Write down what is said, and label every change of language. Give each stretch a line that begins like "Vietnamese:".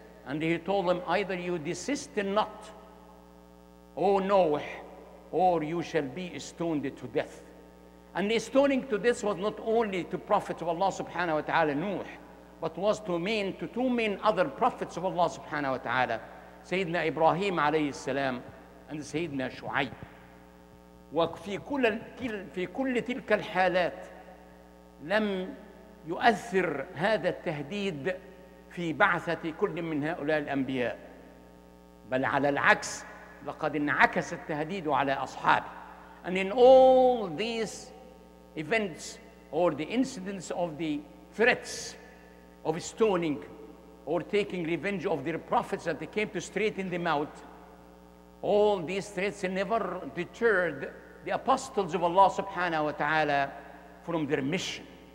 English: And he told them, either you desist or not, O Noah, or you shall be stoned to death. And the stoning to death was not only to prophets of Allah subhanahu wa ta'ala, Nuh, but was to two main other prophets of Allah subhanahu wa ta'ala, Sayyidina Ibrahim alayhi salam, and Sayyidina Shu'ayb.
Arabic: وفي كل تلك الحالات لم يؤثر هذا التهديد في بعثة كل من هؤلاء الأنبياء بل على العكس لقد انعكس التهديد على أصحابه.
English: And in all these events or the incidents of the threats of stoning or taking revenge of their prophets that they came to straighten them out, all these threats never deterred the apostles of Allah subhanahu wa ta'ala from their mission.